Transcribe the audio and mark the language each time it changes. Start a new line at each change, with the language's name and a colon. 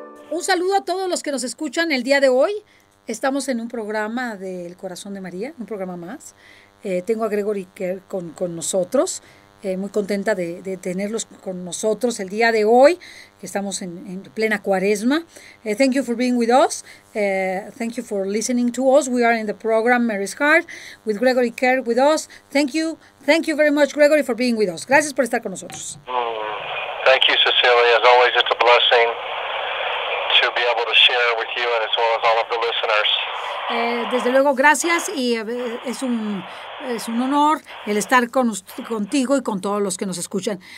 Spanish: Un saludo a todos los que nos escuchan el día de hoy. Estamos en un programa del Corazón de María, un programa más. Tengo a Gregory Kerr con nosotros. Muy contenta de tenerlos con nosotros el día de hoy, que estamos en plena cuaresma.
English: Thank you for being with us. Thank you for listening to us. We are in the program Mary's Heart with Gregory Kerr with us. Thank you. Thank you very much, Gregory, for being with us.
Spanish: Gracias por estar con nosotros.
English: Thank you, Cecilia. As always, it's a blessing to be able to share with you and as well as all of the listeners.
Spanish: Desde luego, gracias y es un honor el estar con usted, contigo y con todos los que nos escuchan.